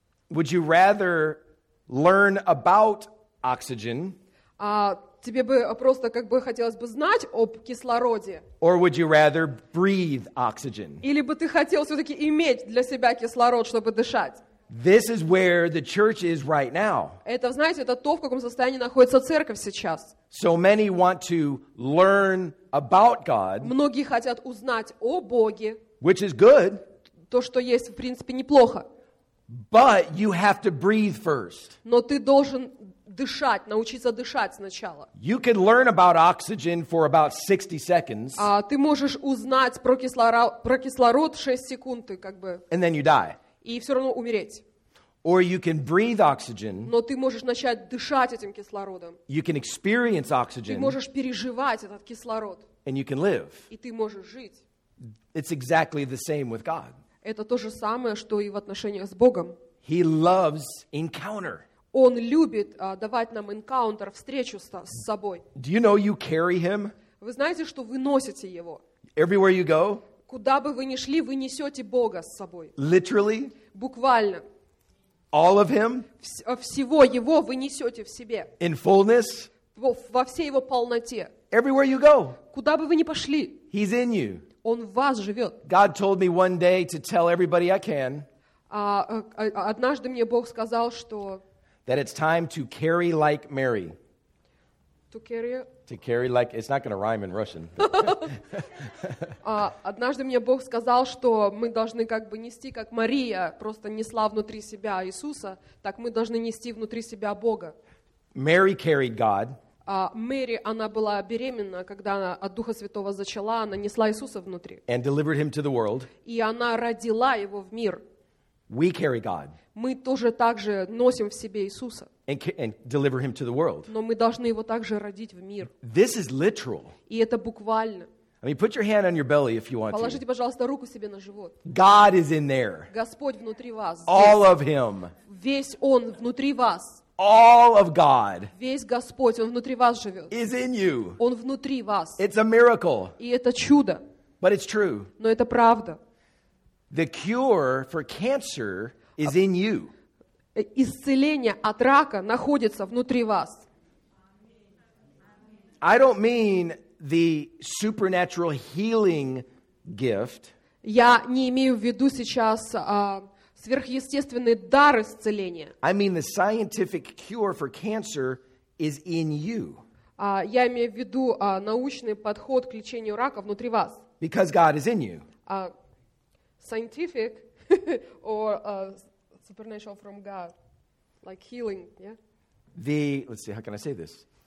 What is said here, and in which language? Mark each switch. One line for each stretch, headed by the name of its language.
English: Would you rather learn about oxygen?
Russian: Тебе бы просто как бы хотелось бы знать об кислороде.
English: Or would you rather breathe oxygen?
Russian: Или бы ты хотел все-таки иметь для себя кислород, чтобы дышать?
English: This is where the church is right now.
Russian: Это, знаете, это то, в каком состоянии находится церковь сейчас.
English: So many want to learn about God.
Russian: Многие хотят узнать о Боге.
English: Which is good.
Russian: То, что есть, в принципе, неплохо.
English: But you have to breathe first.
Russian: Но ты должен дышать, научиться дышать сначала.
English: You can learn about oxygen for about 60 seconds.
Russian: Ты можешь узнать про кислород 6 секунд, как бы.
English: And then you die.
Russian: И все равно умереть.
English: Or you can breathe oxygen.
Russian: Но ты можешь начать дышать этим кислородом.
English: You can experience oxygen.
Russian: Ты можешь переживать этот кислород.
English: And you can live.
Russian: И ты можешь жить.
English: It's exactly the same with God.
Russian: Это то же самое, что и в отношениях с Богом.
English: He loves encounter.
Russian: Он любит давать нам encounter, встречу с собой.
English: Do you know you carry him?
Russian: Вы знаете, что вы носите его?
English: Everywhere you go,
Russian: куда бы вы ни шли, вы несете Бога с собой.
English: Literally,
Russian: буквально.
English: All of Him,
Russian: всего Его вы несете в себе.
English: In fullness,
Russian: во всей Его полноте.
English: Everywhere you go,
Russian: куда бы вы ни пошли,
English: He's in you.
Russian: Он в вас живет.
English: God told me one day to tell everybody I can.
Russian: Однажды мне Бог сказал, что
English: that it's time to carry like Mary. To carry like, it's not going to rhyme in Russian.
Russian: Однажды мне Бог сказал, что мы должны как бы нести, как Мария просто несла внутри себя Иисуса, так мы должны нести внутри себя Бога.
English: Mary carried God.
Russian: Мэри, она была беременна, когда она от Духа Святого зачала, она несла Иисуса внутри.
English: And delivered him to the world.
Russian: И она родила его в мир.
English: We carry God.
Russian: Мы тоже также носим в себе Иисуса.
English: And deliver him to the world.
Russian: Но мы должны его также родить в мир.
English: This is literal.
Russian: И это буквально.
English: I mean, put your hand on your belly if you want.
Russian: Положите, пожалуйста, руку себе на живот.
English: God is in there.
Russian: Господь внутри вас.
English: All of Him.
Russian: Весь Он внутри вас.
English: All of God.
Russian: Весь Господь, Он внутри вас живет.
English: Is in you.
Russian: Он внутри вас.
English: It's a miracle.
Russian: И это чудо.
English: But it's true.
Russian: Но это правда.
English: The cure for cancer is in you.
Russian: Исцеление от рака находится внутри вас.
English: I don't mean the supernatural healing gift.
Russian: Я не имею в виду сейчас сверхъестественный дар исцеления.
English: I mean the scientific cure for cancer is in you.
Russian: Я имею в виду научный подход к лечению рака внутри вас.
English: Because God is in you. Scientific or supernatural from God, like healing, yeah? Let's see, how can I say this?